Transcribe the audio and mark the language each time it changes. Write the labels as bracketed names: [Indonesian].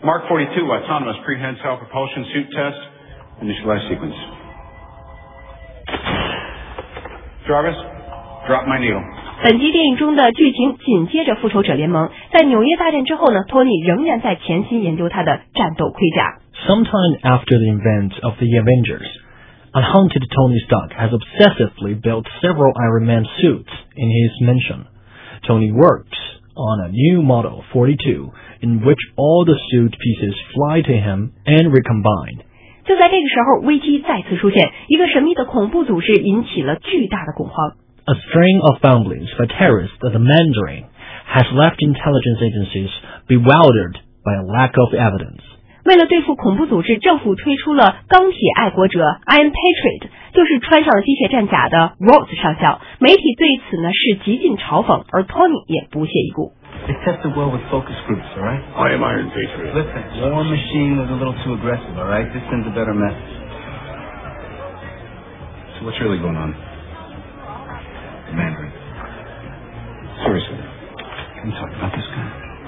[English] Mark 42, autonomous prehensile propulsion suit test, initialize sequence. Jarvis, drop my needle. [Chinese] 本集电影中的剧情紧接着复仇者联盟，在纽约大战之后呢，托尼仍然在潜心研究他的战斗盔甲。 [English] Sometime after the event of the Avengers, unhunted Tony Stark has obsessively built several Iron Man suits in his mansion. Tony works on a new model 42 in which all the suit pieces fly to him and recombine. [Chinese] 就在这个时候，危机再次出现，一个神秘的恐怖组织引起了巨大的恐慌。 [English] A string of bumblings by terrorists of the Mandarin has left intelligence agencies bewildered by a lack of evidence. [Chinese] 为了对付恐怖组织，政府推出了钢铁爱国者 Iron Patriot， 就是穿上了机械战甲的 Rhodes 上校。媒体对此呢是极尽嘲讽，而 Tony 也不屑一顾。 [English] They test the world with focus groups, all right? I am Iron Patriot. Listen, your machine was a little too aggressive, all right? This sends a better message. So what's really going on? Mandarin. Seriously, can we talk about this guy?